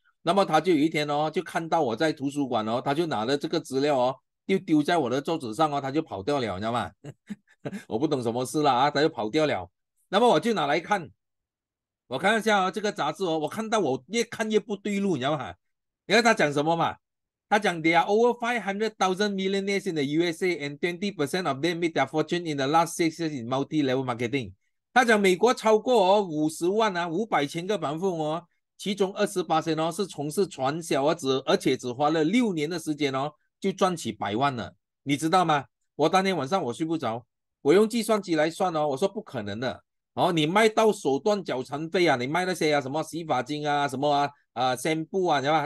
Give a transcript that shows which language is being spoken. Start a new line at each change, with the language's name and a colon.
Chinese: 那么他就有一天哦，就看到我在图书馆哦，他就拿了这个资料哦，就丢在我的桌子上哦，他就跑掉了，你知道吗？我不懂什么事了啊，他就跑掉了。那么我就拿来看，我看一下哦，这个杂志哦，我看到我越看越不对路，你知道吗？你看他讲什么嘛？他讲
English: ，there are over 500,000 millionaires in the USA, and 20% of them made their fortune in the last 6 years in multi-level marketing.
Chinese: 他讲美国超过哦500,000个百万富翁哦，其中20%哦是从事传销啊，而且只花了6年的时间哦就赚起百万了。你知道吗？我当天晚上我睡不着，我用计算机来算哦，我说不可能的哦，你卖到手段脚残废啊，你卖那些啊什么洗发精啊什么啊香布啊，对吧？